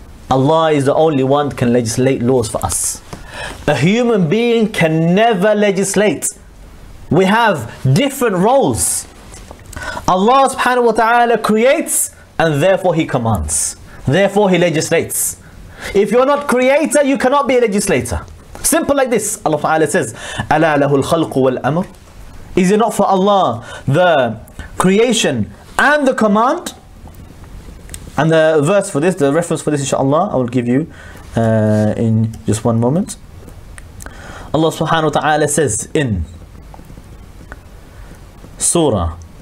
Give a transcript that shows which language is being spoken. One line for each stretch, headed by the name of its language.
English: Allah is the only one that can legislate laws for us. A human being can never legislate. We have different roles. Allah subhanahu wa ta'ala creates and therefore He commands. Therefore He legislates. If you're not creator, you cannot be a legislator. Simple like this. Allah ta'ala says,
Arabic: أَلَا لَهُ الْخَلْقُ وَالْأَمْرُ.
English: Is it not for Allah the creation and the command? And the verse for this, the reference for this, inshallah, I will give you in just one moment. Allah subhanahu wa ta'ala says in Surah